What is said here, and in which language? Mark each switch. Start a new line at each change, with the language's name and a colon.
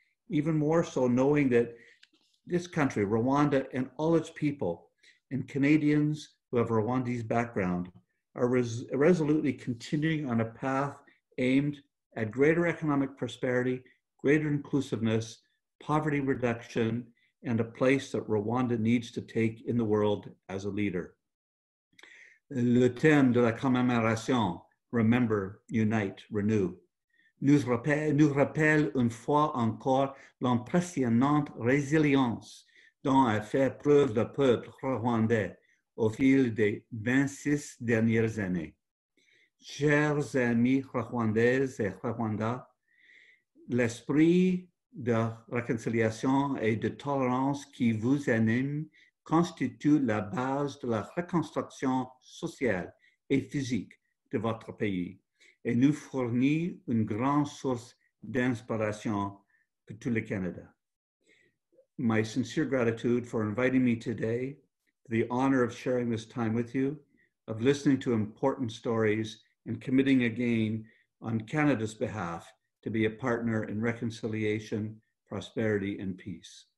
English: Even more so knowing that this country, Rwanda, and all its people, and Canadians who have Rwandese background are resolutely continuing on a path aimed at greater economic prosperity, greater inclusiveness, poverty reduction, and a place that Rwanda needs to take in the world as a leader.
French: Le thème de la commémoration,
English: remember, unite, renew,
French: nous rappelle une fois encore l'impressionnante résilience dont a fait preuve le peuple rwandais au fil des 26 dernières années. Chers amis rwandaises et rwandais, l'esprit de réconciliation et de tolérance qui vous anime constitue la base de la reconstruction sociale et physique de votre pays et nous fournit une grande source d'inspiration pour tout le Canada.
English: My sincere gratitude for inviting me today, the honor of sharing this time with you, of listening to important stories, and committing again on Canada's behalf to be a partner in reconciliation, prosperity, and peace.